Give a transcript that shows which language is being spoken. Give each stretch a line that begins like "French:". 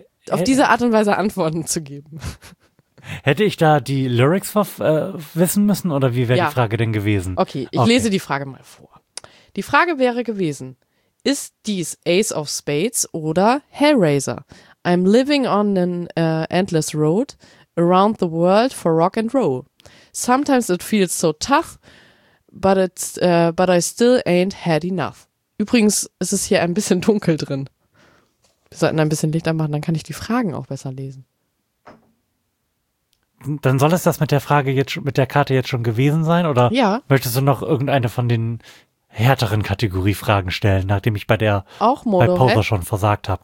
German: Auf diese Art und Weise Antworten zu geben. Hätte ich da die Lyrics wissen müssen oder wie wäre die Frage denn gewesen? Okay, ich lese die Frage mal vor. Die Frage wäre gewesen, ist dies Ace of Spades oder Hellraiser?
English: I'm living on an endless road around the world for rock and roll. Sometimes it feels so tough, but I still ain't had enough.
German: Übrigens ist es hier ein bisschen dunkel drin. Wir sollten ein bisschen Licht anmachen, dann kann ich die Fragen auch besser lesen. Dann soll es das mit der Frage jetzt mit der Karte jetzt schon gewesen sein? Oder möchtest du noch irgendeine von den härteren Kategoriefragen stellen, nachdem ich bei der bei Poser schon versagt habe?